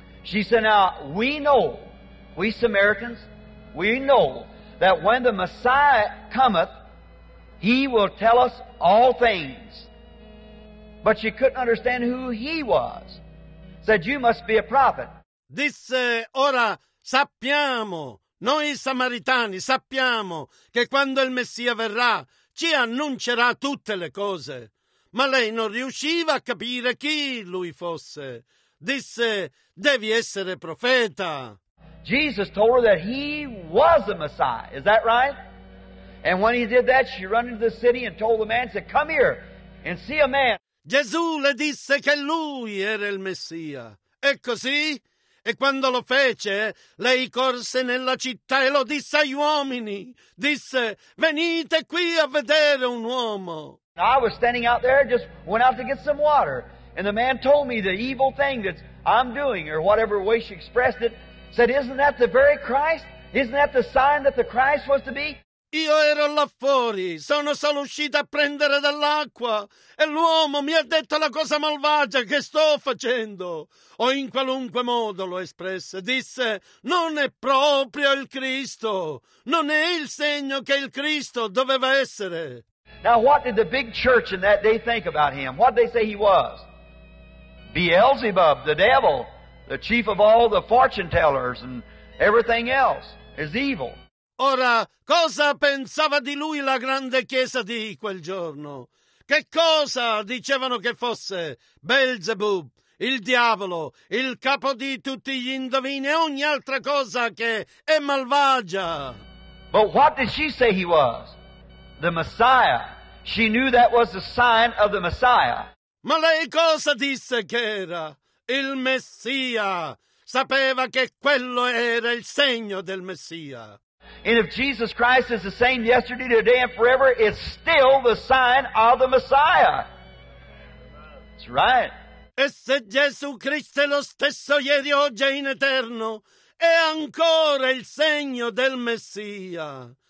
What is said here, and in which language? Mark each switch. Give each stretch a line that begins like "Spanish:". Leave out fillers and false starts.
English: She said, now we know. We Samaritans, we know that when the Messiah cometh, he will tell us all things. But she couldn't understand who he was. Said, you must be a prophet.
Italian: Disse, ora sappiamo, noi Samaritani sappiamo che quando il Messia verrà, ci annuncerà tutte le cose. Ma lei non riusciva a capire chi lui fosse. Disse, devi essere profeta.
English: Jesus told her that he was the Messiah. Is that right? And when he did that, she ran into the city and told the man, said, come here and see a man.
Italian: Gesù le disse che lui era il Messia. E così? E quando lo fece, lei corse nella città e lo disse agli uomini. Disse, venite qui a vedere un uomo.
English: I was standing out there, just went out to get some water. And the man told me the evil thing that I'm doing, or whatever way she expressed it, said, isn't that the very Christ? Isn't that the sign that the Christ was to be?
Italian: Io ero là fuori, sono solo uscito a prendere dell'acqua, e l'uomo mi ha detto la cosa malvagia che sto facendo. O in qualunque modo lo espresse, disse, non è proprio il Cristo, non è il segno che il Cristo doveva essere.
English: Now what did the big church in that day think about him? What did they say he was? Beelzebub, the devil. The chief of all the fortune tellers and everything else is evil.
Italian: Ora, cosa pensava di lui la grande chiesa di quel giorno? Che cosa dicevano che fosse? Beelzebub, il diavolo, il capo di tutti gli indovini e ogni altra cosa che è malvagia.
English: But what did she say he was? The Messiah. She knew that was the sign of the Messiah.
Italian: Ma lei cosa disse che era? Il Messia sapeva che quello era il segno del Messia.
English: And if Jesus Christ is the same yesterday, today, and forever, it's still the sign of the Messiah. That's right.
Italian: E se Gesù Cristo è lo stesso ieri, oggi e in eterno, è ancora il segno del Messia.